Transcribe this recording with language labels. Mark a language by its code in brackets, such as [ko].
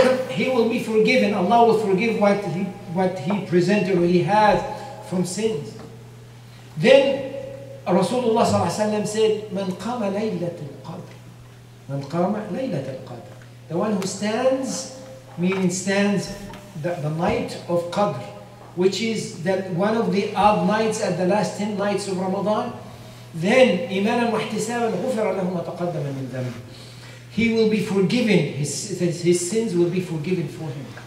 [en] He will be forgiven, Allah will forgive what he presented or he has from sins. Then Rasulullah [ar] صلى الله عليه وسلم [en] said, [ar] مَنْ قَامَ لَيْلَةَ الْقَدْرِ. مَنْ قَامَ لَيْلَةَ الْقَدْرِ. [en] The one who stands, meaning stands the night of Qadr, which is that one of the odd nights at the last 10 nights of Ramadan, then [ar] إِمَانًا وَاحْتِسَابًا غُفَرَ لَهُ مَا تَقَدَّمَ مِنْ ذَنْبِ. [en] He will be forgiven, his sins will be forgiven for him.